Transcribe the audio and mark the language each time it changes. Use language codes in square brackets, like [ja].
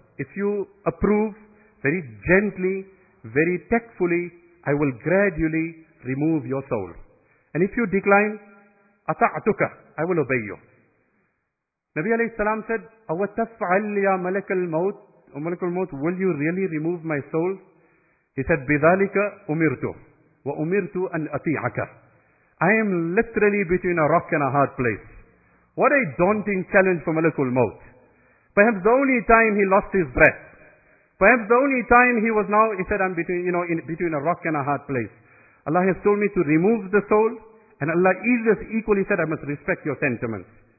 [en] If you approve, very gently, very tactfully, I will gradually remove your soul. And if you decline, [ar] أَطَعْتُكَ. [en] I will obey you.' Nabi alayhi salam said, [ar] 'أَوَتَفْعَلْ يَا مَلَكَ الْمَوْتِ. [en] O Malakul Maut, will you really remove my soul?' He said, [ar] 'بِذَلِكَ أُمِرْتُ وَأُمِرْتُ أَنْ أَطِيعَكَ. [en] I am literally between a rock and a hard place.'" What a daunting challenge for Malakul Maut. Perhaps the only time he lost his breath. Perhaps the only time he was now, he said, "I'm between, you know, in between a rock and a hard place. Allah has told me to remove the soul, and Allah is equally said, I must respect your sentiments."